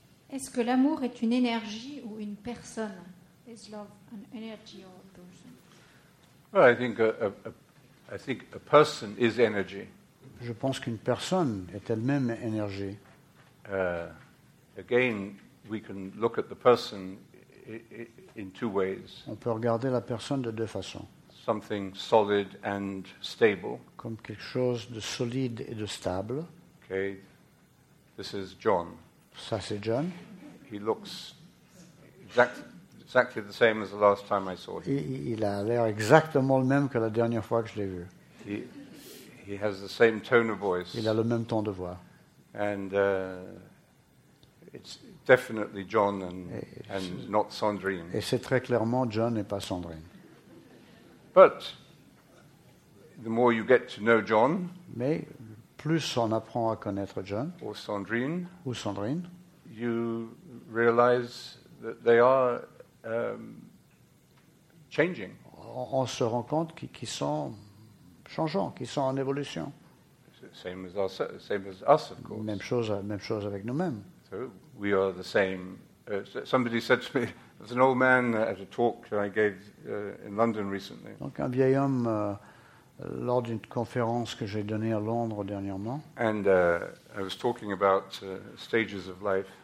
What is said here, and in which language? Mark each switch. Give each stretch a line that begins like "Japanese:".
French: Est-ce que l'amour est une énergie ou une personne?
English: Is love an energy or a person? Well, I think a person is energy.
French: Je pense qu'une personne est elle-même énergie.
English: Again, we can look at the person in two ways.
French: On peut regarder la personne de deux façons.
English: Something solid and stable.
French: Comme quelque chose de solide et de stable.
English: Okay, this is John.
French: Ça c'est John.
English: He looks exactly the same as the last time I saw him.
French: Il a l'air exactement le même que la dernière fois que je l'ai vu.
English: He has the same tone of voice.
French: Il a le même ton de voix.
English: And it's definitely John and not Sandrine.
French: Et c'est très clairement John et pas Sandrine.
English: But the more you get to know John,
French: mais plus on apprend à connaître John ou Sandrine,
English: you realize that they are changing.
French: On se rend compte qu'ils sont changeants, qui sont en évolution.
English: Same as us, of course.
French: Même chose avec nous-mêmes.
English: So we are the same. Somebody said to me, there's an old man at a talk I gave in London recently.
French: Donc un vieil homme lors d'une conférence que j'ai donnée à Londres dernièrement.
English: And I was talking about stages of life.